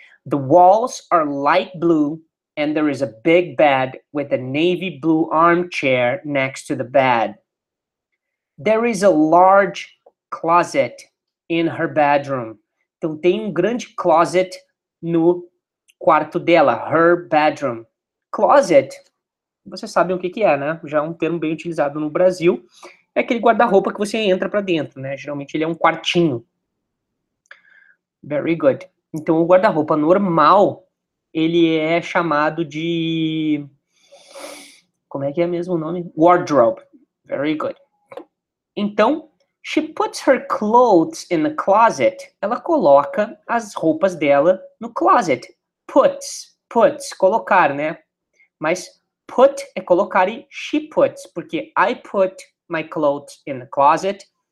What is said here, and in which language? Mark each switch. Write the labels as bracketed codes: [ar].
[en] The walls are light blue and there is a big bed with a navy blue armchair next to the bed. There is a large closet in her bedroom. [pt] Então, tem um grande closet no quarto dela, [en] her bedroom. [pt] Closet, vocês sabem o que é, né? Já é um termo bem utilizado no Brasil. É aquele guarda-roupa que você entra pra dentro, né? Geralmente ele é um quartinho. [en] Very good. [pt] Então, o guarda-roupa normal, ele é chamado de... Como é que é mesmo o nome? Wardrobe. [en] Very good. Então, she puts her clothes in the closet. [pt] Ela coloca as roupas dela no closet. Puts, colocar, né? Mas put é colocar e [en] she puts, [pt] porque [en] I put my clothes in the closet.